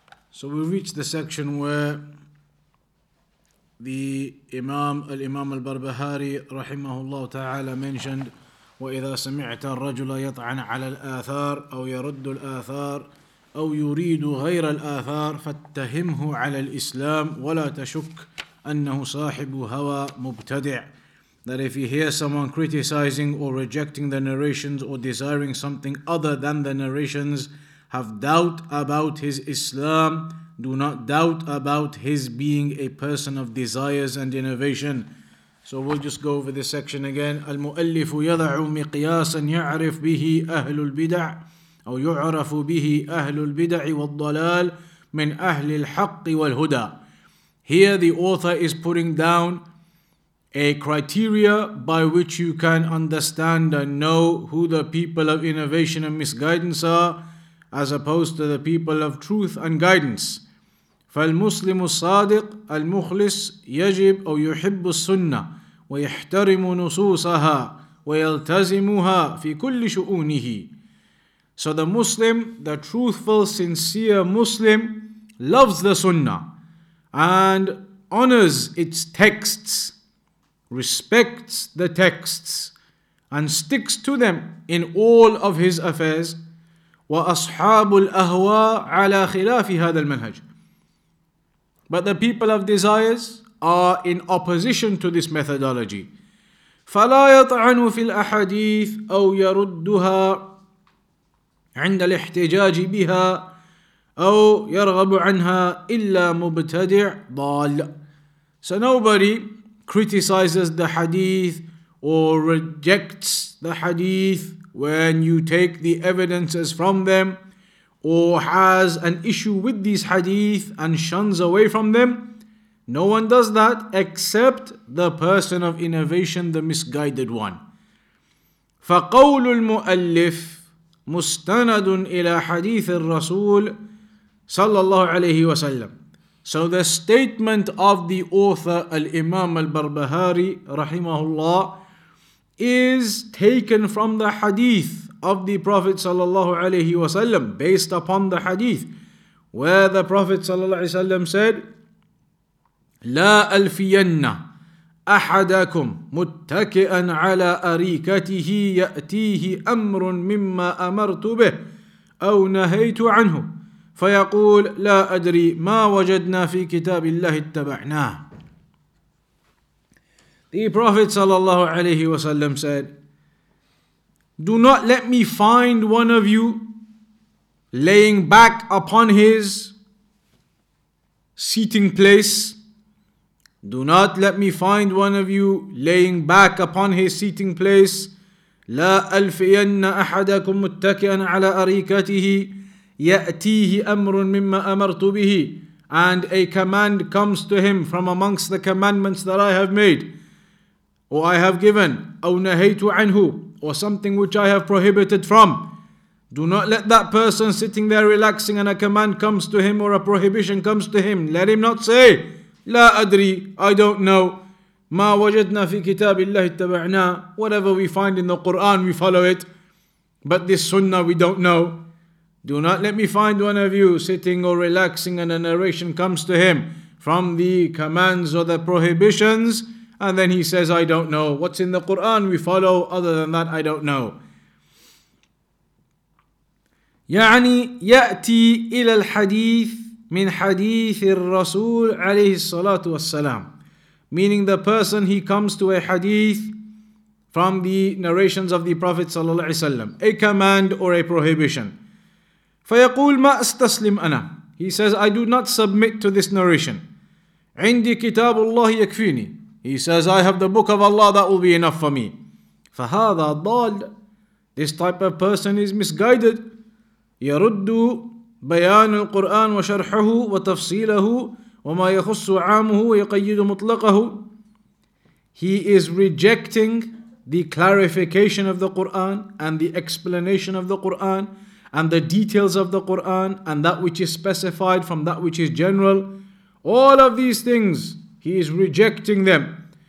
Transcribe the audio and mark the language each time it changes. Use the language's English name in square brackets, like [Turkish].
[English] So we reach the section where the Imam al-Imam al-Barbahari rahimahullah ta'ala mentioned, [Arabic] وَإِذَا سَمِعْتَ الرَّجُلَ يَطْعَنَ عَلَى الْآثَارِ أَوْ يَرُدُّ الْآثَارِ أَوْ يُرِيدُ غَيْرَ الْآثَارِ فَاتَّهِمْهُ عَلَى الْإِسْلَامِ وَلَا تَشُكْ أَنَّهُ صَاحِبُ هَوَى مُبْتَدِعُ. [English] That if you hear someone criticizing or rejecting the narrations or desiring something other than the narrations, have doubt about his Islam, do not doubt about his being a person of desires and innovation. So we'll just go over this section again. [Arabic] المؤلف يضع مقياسا يعرف به أهل البدع أو يعرف به أهل البدع والضلال من أهل الحق والهدى. [English] Here the author is putting down a criteria by which you can understand and know who the people of innovation and misguidance are, as opposed to the people of truth and guidance. [Arabic] فالمسلم الصادق المخلص يجب أو يحب السنة ويحترم نصوصها ويلتزمها في كل شؤونه. [English] So the Muslim, the truthful, sincere Muslim, loves the Sunnah and honors its texts, respects the texts, and sticks to them in all of his affairs. [Arabic] وأصحاب الأهواء على خلاف هذا المنهج. [English] But the people of desires are in opposition to this methodology. [Arabic] فلا يطعن في الأحاديث أو يردها عند الاحتجاج بها أو يرغب عنها إلا مبتدع ضال. [English] So nobody criticizes the hadith or rejects the hadith when you take the evidences from them, or has an issue with these hadith and shuns away from them. No one does that except the person of innovation, the misguided one. [Arabic] فقول المؤلف مستند إلى حديث الرسول صلى الله عليه وسلم. [English] So the statement of the author, Al-Imam Al-Barbahari rahimahullah, is taken from the hadith of the Prophet sallallahu alayhi wasallam, based upon the hadith where the Prophet sallallahu alayhi wasallam said, [Arabic] لا ألفين أحدكم متكئاً على أريكته يأتيه أمر مما أمرت به أو نهيت عنه فيقول لا أدري ما وجدنا في كتاب الله اتبعناه. [English] The Prophet sallallahu alayhi wasallam said, do not let me find one of you laying back upon his seating place. Do not let me find one of you laying back upon his seating place. [Arabic] لا ألفين أحدكم متكئاً على أريكته يأتيه أمر مما أمرت به. [English] And a command comes to him from amongst the commandments that I have made, or I have given, [Arabic] أو نهيت عنه, [English] or something which I have prohibited from. Do not let that person sitting there relaxing and a command comes to him or a prohibition comes to him, let him not say, [Arabic] لا أدري, [English] I don't know, [Arabic] ما وجدنا في كتاب الله اتبعنا, [English] whatever we find in the Quran, we follow it, but this sunnah we don't know. Do not let me find one of you sitting or relaxing and a narration comes to him from the commands or the prohibitions, and then he says, I don't know. What's in the Quran we follow, other than that, I don't know. [Arabic] يعني يأتي إلى الحديث من حديث الرسول عليه الصلاة والسلام. [English] Meaning the person, he comes to a hadith from the narrations of the Prophet [Arabic] صلى الله عليه وسلم. [English] A command or a prohibition. [Arabic] فيقول ما أستسلم أنا. [English] He says, I do not submit to this narration. [Arabic] عندي كتاب الله يكفيني. [English] He says, I have the book of Allah, that will be enough for me. [Arabic] فهذا ضال. [English] This type of person is misguided. [Arabic] يرد بيان القرآن وشرحه وتفصيله وما يخص عامه ويقيد مطلقه. [English] He is rejecting the clarification of the Quran and the explanation of the Quran and the details of the Quran and that which is specified from that which is general. All of these things, he is rejecting them.